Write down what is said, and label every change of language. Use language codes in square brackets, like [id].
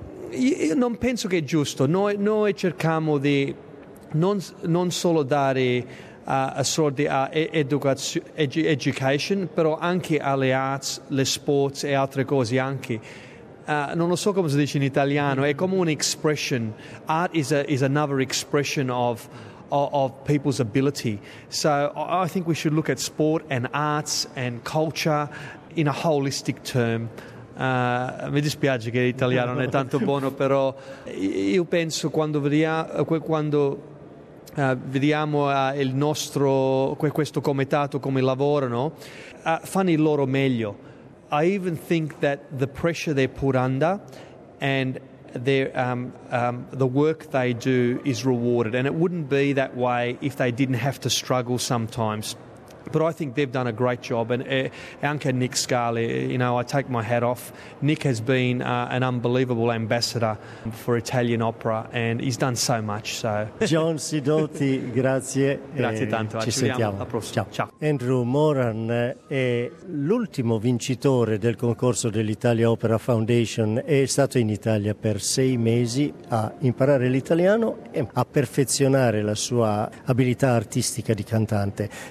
[it] Io non penso che è giusto. Noi cerchiamo di non solo dare soldi a education, però anche alle arts, le sports e altre cose anche. Non lo so come si dice in italiano, è come un'expression. [en] Art is another expression of people's ability. So I think we should look at sport and arts and culture in a holistic term. [it] Mi dispiace che l'italiano non è tanto buono, però io penso quando vediamo il nostro, questo comitato come lavorano, fanno il loro meglio. [en] I even think that the pressure they put under and the work they do is rewarded, and it wouldn't be that way if they didn't have to struggle sometimes. But I think they've done a great job, and anche Nick Scali, you know, I take my hat off. Nick has been an unbelievable ambassador for Italian opera, and he's done so much. So [it] John Sidoti, grazie. Grazie tanto. Ci sentiamo. Alla prossima. Ciao. Andrew Moran è l'ultimo vincitore del concorso dell'Italia Opera Foundation. È stato in Italia per 6 mesi a imparare l'italiano e a perfezionare la sua abilità artistica di cantante.